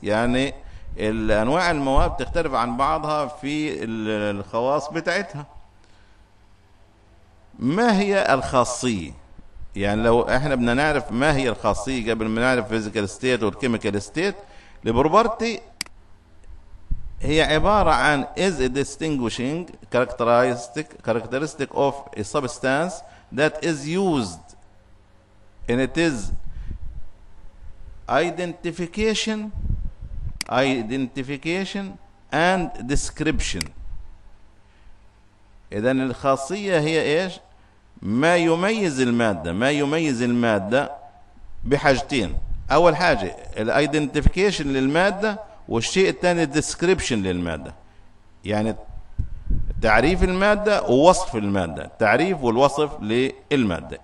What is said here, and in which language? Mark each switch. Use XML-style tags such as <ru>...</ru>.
<ar>يعني الأنواع المواد تختلف عن بعضها في الخواص بتاعتها. ما هي الخاصية؟ يعني لو إحنا بدنا نعرف ما هي الخاصية قبل ما نعرف physical state والchemical state, البروبرتي هي عبارة عن</ar> <en>is a distinguishing characteristic of a substance that is used and it is identification and description.</en> <ar>إذن الخاصية هي إيش؟ ما يميز المادة، ما يميز المادة بحاجتين. أول حاجة الـ identification للمادة، والشيء الثاني description للمادة، يعني تعريف المادة ووصف المادة، تعريف والوصف للمادة.</ar>